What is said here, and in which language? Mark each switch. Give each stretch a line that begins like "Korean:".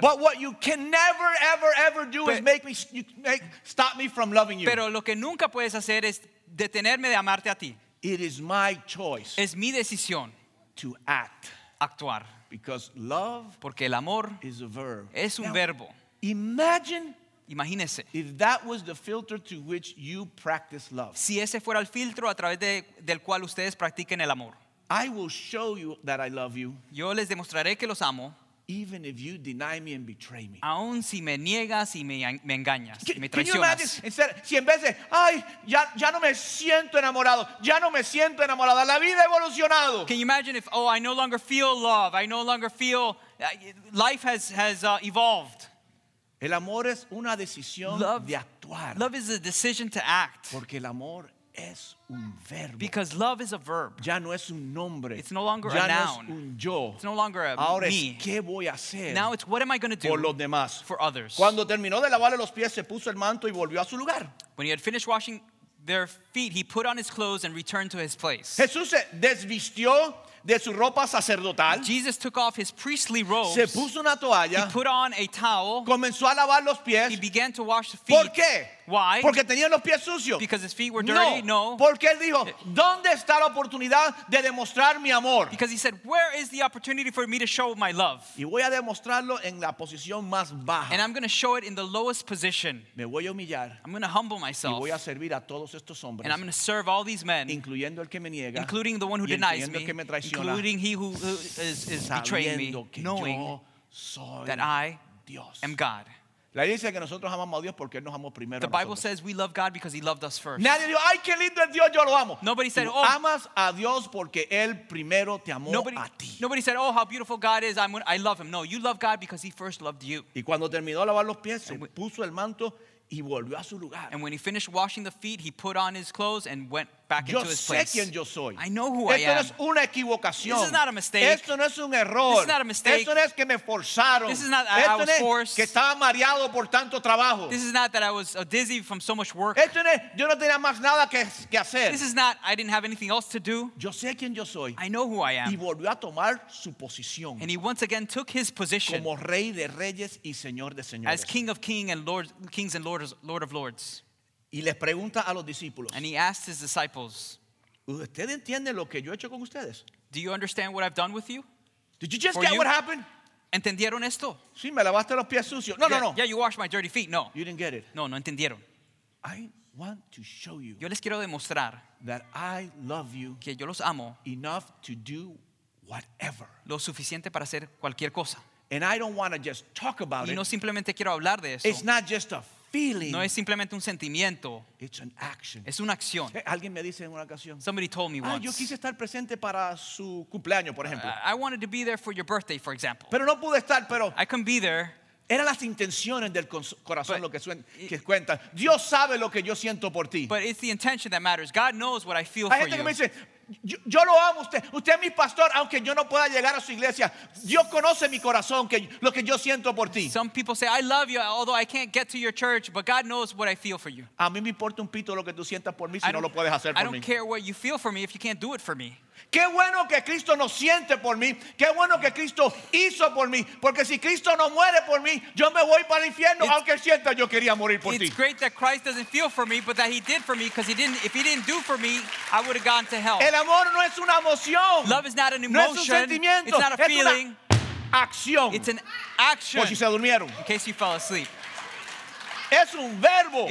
English: But what you can never, ever, ever do is stop me from loving you.
Spanish: Pero lo que nunca puedes hacer es detenerme de amarte a ti.
English: It is my choice.
Spanish: Es mi decisión
English: to act.
Spanish: Actuar.
English: Because love,
Spanish: porque el amor
English: is a verb.
Spanish: Es un
English: now,
Spanish: verbo.
English: Imagine
Spanish: Imagínese.
English: If that was the filter to which you practice love.
Spanish: Si ese fuera el filtro a través del cual ustedes practiquen el amor.
English: I will show you that I love you.
Spanish: Yo les demostraré que los amo.
English: Even if you deny me and betray me.
Spanish: Aun si me niegas y me engañas, me traicionas.
English: Can you imagine, instead,
Spanish: si en vez de, ay, ya no me siento enamorado, ya no me siento enamorada, la vida ha evolucionado.
English: Can you imagine if, oh, I no longer feel love, I no longer feel, life has evolved.
Spanish: El amor es una decisión de actuar.
English: Love is a decision to act.
Spanish: Porque el amor es un verbo.
English: Because love is a verb.
Spanish: Ya no es un nombre.
English: It's no longer
Spanish: ya
English: a noun.
Spanish: No es un yo.
English: It's no longer a
Spanish: ahora
English: me.
Spanish: Es, ¿qué voy a hacer?
English: Now it's what am I going to do
Spanish: por los demás.
English: For others.
Spanish: Cuando terminó de lavarle los pies, se puso el manto y volvió a su lugar.
English: When he had finished washing their feet, he put on his clothes and returned to his place.
Spanish: Jesús se desvistió de su ropa sacerdotal.
English: Jesus took off his priestly robes.
Spanish: Se puso una toalla.
English: He put on a towel.
Spanish: Comenzó a lavar los pies.
English: He began to wash the feet.
Spanish: ¿Por qué?
English: Why?
Spanish: Porque tenían los pies sucios.
English: Because his feet were dirty? No.
Spanish: Porque él dijo, ¿dónde está la oportunidad de demostrar mi amor?
English: Because he said, where is the opportunity for me to show my love?
Spanish: Y voy a demostrarlo en la posición más baja.
English: And I'm going to show it in the lowest position.
Spanish: Me voy a humillar.
English: I'm going to humble myself.
Spanish: Y voy a servir a todos estos hombres.
English: And I'm going to serve all these men.
Spanish: Incluyendo el que me niega.
English: Including the one who denies
Spanish: me. Que me traiciona,
English: including he who is betraying me. Knowing that I
Spanish: Dios.
English: Am God.
Spanish: La Biblia dice que nosotros amamos a Dios porque Él nos amó primero.
English: The Bible says we love God because He loved us first.
Spanish: Nadie dijo, ay, qué lindo es Dios, yo lo amo.
English: Nobody said, oh.
Spanish: Amas a Dios porque Él primero te amó a ti.
English: Nobody said, oh, how beautiful God is, I love Him. No, you love God because He first loved you.
Spanish: Y cuando terminó de lavar los pies, se puso el manto y volvió a su lugar.
English: And when he finished washing the feet, he put on his clothes and went back into his place.
Spanish: Yo sé quién yo soy.
English: I know who I am.
Spanish: Esto no es una equivocación.
English: This is not a mistake.
Spanish: Esto no es un error.
English: This is not a mistake.
Spanish: Esto no es que me forzaron.
English: This is not that I was forced.
Spanish: Que estaba mareado por tanto trabajo.
English: This is not that I was dizzy from so much work.
Spanish: Esto no es, yo no tenía más nada que hacer.
English: This is not I didn't have anything else to do.
Spanish: Yo sé quién yo soy.
English: I know who I am.
Spanish: Y volvió a tomar su posición.
English: And he once again took his position.
Spanish: Como rey de reyes y señor de señores.
English: As King of Kings and Lord of Lords.
Spanish: Y les pregunta a los discípulos.
English: And he asked his disciples.
Spanish: ¿Usted entiende lo que yo he hecho con ustedes?
English: Do you understand what I've done with you? Did you just get what happened?
Spanish: ¿Entendieron esto? Sí, me lavaste los pies sucios. No,
English: yeah,
Spanish: no, no.
English: Yeah, you washed my dirty feet. No. You didn't get it.
Spanish: No, no entendieron.
English: I want to show you.
Spanish: Yo les quiero demostrar.
English: That I love you.
Spanish: Que yo los amo.
English: Enough to do whatever.
Spanish: Lo suficiente para hacer cualquier cosa.
English: And I don't want to just talk about it.
Spanish: Y no simplemente quiero hablar de eso.
English: It's not just a feeling.
Spanish: No es simplemente un sentimiento.
English: It's an action.
Spanish: Es una acción. Alguien me dice en una ocasión.
English: Somebody told me once.
Spanish: Yo quise estar presente para su cumpleaños, por ejemplo.
English: I wanted to be there for your birthday, for example.
Spanish: Pero no pude estar, pero.
English: I couldn't be there.
Spanish: Eran las intenciones del corazón lo que cuentan. Dios sabe lo que yo siento por ti.
English: But it's the intention that matters. God knows what I feel for you.
Spanish: Hay gente que me dice, yo lo amo usted. Usted es mi pastor, aunque yo no pueda llegar a su iglesia. Dios conoce mi corazón, que lo que yo siento por ti.
English: Some people say I love you, although I can't get to your church, but God knows what I feel for you.
Spanish: A mí me importa un pito lo que tú sientas por mí si no lo puedes hacer por mí.
English: I don't care what you feel for me if you can't do it for me.
Spanish: Qué bueno que Cristo nos siente por mí. Qué bueno que Cristo hizo por mí. Porque si Cristo no muere por mí, yo me voy para el infierno. Aunque sienta, yo quería morir por ti.
English: It's great that Christ doesn't feel for me, but that He did for me, because if He didn't do for me, I would have gone to hell.
Spanish: El amor no es una emoción.
English: Love is not an emotion.
Spanish: No es un sentimiento.
English: It's not a feeling.
Spanish: Es una acción.
English: It's an action.
Spanish: Por si se durmieron.
English: In case you fell asleep.
Spanish: Es un verbo.